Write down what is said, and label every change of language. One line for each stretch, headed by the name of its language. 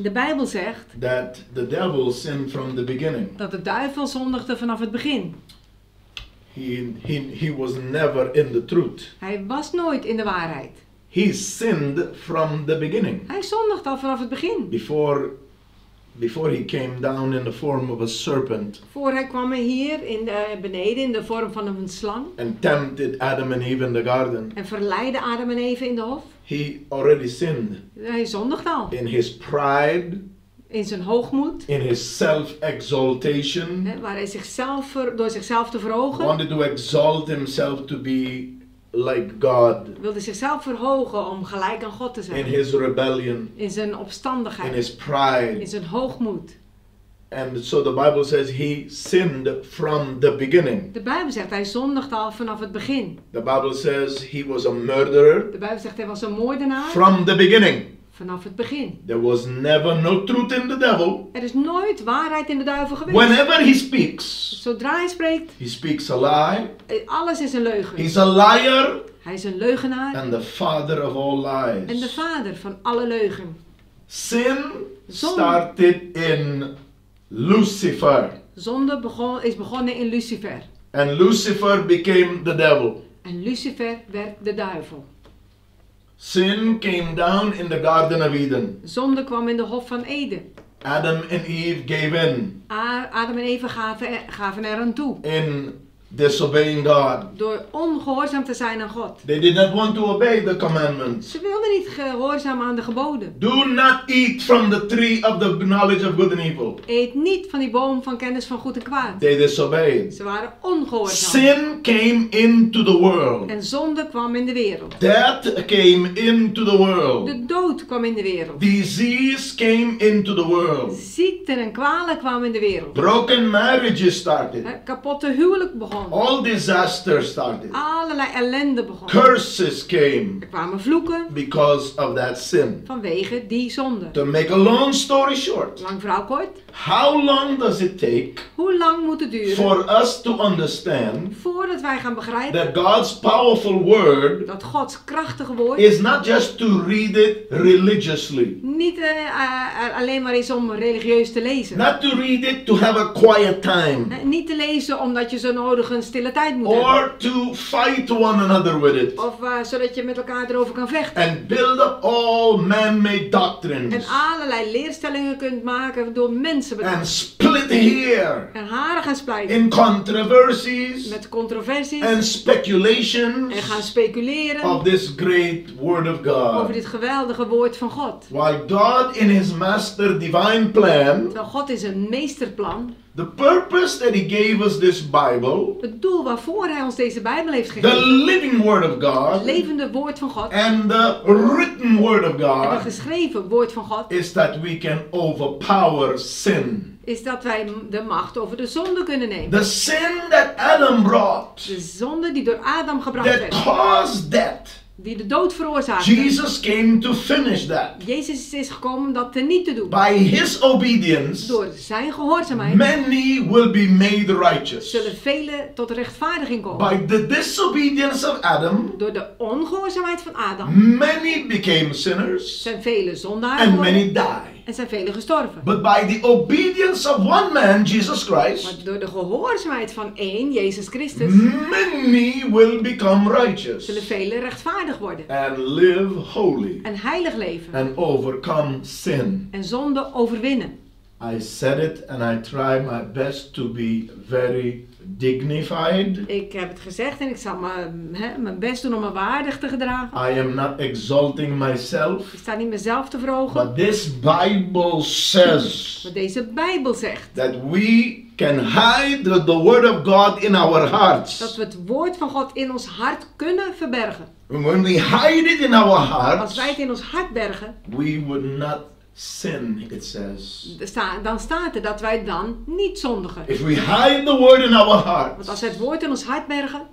Dutch: De Bijbel zegt.
English: That the devil sinned from the beginning.
Dutch: Dat de duivel zondigde vanaf het begin.
English: He was never in the truth.
Dutch: Hij was nooit in de waarheid.
English: He sinned from the beginning.
Dutch: Hij zondigde al vanaf het begin.
English: Before he came down in the form of a serpent.
Dutch: Voor hij kwam hier in de, beneden in de vorm van een slang.
English: And tempted Adam and Eve in the garden.
Dutch: En verleidde Adam en Eve in de hof.
English: He already sinned.
Dutch: Hij zondigde al.
English: In his pride.
Dutch: In zijn hoogmoed.
English: In his self-exaltation.
Dutch: Hè, waar hij zichzelf door zichzelf te verhogen.
English: Wanted to exalt himself to be like God.
Dutch: Wilde zichzelf verhogen om gelijk aan God te zijn.
English: In his rebellion.
Dutch: In zijn opstandigheid.
English: In his pride.
Dutch: In zijn hoogmoed.
English: And so the Bible says he sinned from the beginning.
Dutch: De Bijbel zegt hij zondigde al vanaf het begin.
English: The Bible says he was a murderer.
Dutch: De Bijbel zegt hij was een moordenaar.
English: From the beginning.
Dutch: Vanaf het begin.
English: There was never no truth in the devil.
Dutch: Er is nooit waarheid in de duivel geweest.
English: Whenever he speaks.
Dutch: Zodra hij spreekt.
English: He speaks a lie.
Dutch: Alles is een leugen.
English: He's a liar.
Dutch: Hij is een leugenaar.
English: And the father of all lies.
Dutch: En de vader van alle leugen.
English: Sin started in Lucifer.
Dutch: Zonde is begonnen in Lucifer.
English: And Lucifer became the devil.
Dutch: En Lucifer werd de duivel.
English: Sin came down in the Garden of Eden.
Dutch: Zonde kwam in de Hof van Eden.
English: Adam and Eve gave in.
Dutch: Adam en Eva gaven eraan toe.
English: In disobeying God.
Dutch: Door ongehoorzaam te zijn aan God.
English: They did not want to obey the commandments.
Dutch: Ze wilden niet gehoorzaam aan de geboden.
English: Do not eat from the tree of the knowledge of good and evil.
Dutch: Eet niet van die boom van kennis van goed en kwaad.
English: They disobeyed.
Dutch: Ze waren ongehoorzaam.
English: Sin came into the world.
Dutch: En zonde kwam in de wereld.
English: Death came into the world.
Dutch: De dood kwam in de wereld.
English: Disease came into the world.
Dutch: Ziekten en kwalen kwamen in de wereld.
English: Broken marriages started.
Dutch: Kapotte huwelijk begon.
English: All disaster started.
Dutch: Allerlei ellende begon.
English: Curses came.
Dutch: Er kwamen vloeken.
English: Because of that sin.
Dutch: Vanwege die zonde.
English: To make a long story short.
Dutch: Lang verhaal kort.
English: How long does it take?
Dutch: Hoe lang moet het duren?
English: For us to understand.
Dutch: Voordat wij gaan begrijpen.
English: That God's powerful word.
Dutch: Dat Gods krachtige woord.
English: Is not just to read it religiously.
Dutch: Niet alleen maar is om religieus te lezen.
English: Not to read it to have a quiet time.
Dutch: Niet te lezen omdat je zo nodig een stille tijd moet
English: or
Dutch: hebben.
English: To fight one another with it.
Dutch: Of zodat je met elkaar erover kan vechten.
English: And build up all man-made doctrines.
Dutch: En allerlei leerstellingen kunt maken door mensen bedacht.
English: And split here.
Dutch: En haren gaan splijten.
English: In controversies.
Dutch: Met controversies.
English: And speculations.
Dutch: En gaan speculeren.
English: Of this great word of God.
Dutch: Over dit geweldige woord van God.
English: While God in his master divine plan.
Dutch: Terwijl God is een meesterplan.
English: The purpose that he gave us this Bible.
Dutch: Het doel waarvoor hij ons deze Bijbel heeft gegeven.
English: The living word of God.
Dutch: Het levende woord van God.
English: And the written word of God.
Dutch: En het geschreven woord van God.
English: Is that we can overpower sin.
Dutch: Is dat wij de macht over de zonde kunnen nemen.
English: The sin that Adam brought.
Dutch: De zonde die door Adam gebracht
English: that
Dutch: werd.
English: That caused that.
Dutch: Die de dood veroorzaakte.
English: Jesus came to finish that.
Dutch: Jezus is gekomen om dat teniet te doen.
English: By his obedience.
Dutch: Door zijn gehoorzaamheid.
English: Many will be made righteous.
Dutch: Zullen velen tot rechtvaardiging komen.
English: By the disobedience of Adam.
Dutch: Door de ongehoorzaamheid van Adam.
English: Many became sinners.
Dutch: Zijn velen zondaren.
English: And many die.
Dutch: En zijn velen gestorven.
English: But by the obedience of one man, Jesus Christ.
Dutch: Maar door de gehoorzaamheid van één, Jezus Christus.
English: Many will become righteous.
Dutch: Zullen velen rechtvaardig worden.
English: And live holy.
Dutch: En heilig leven.
English: And overcome sin.
Dutch: En zonde overwinnen.
English: I said it and I try my best to be very dignified.
Dutch: Ik heb het gezegd en ik zal mijn best doen om me waardig te gedragen.
English: I am not exalting myself.
Dutch: Ik sta niet mezelf te verhogen.
English: But this Bible says.
Dutch: Wat deze Bijbel zegt.
English: That we can hide the word of God in our hearts.
Dutch: Dat we het woord van God in ons hart kunnen verbergen.
English: When we hide it in our hearts.
Dutch: Als wij het in ons hart bergen.
English: We would not sin, it says.
Dutch: Dan staat er dat wij dan niet zondigen.
English: If we hide the word in our hearts.
Dutch: Want als wij het woord in ons hart bergen.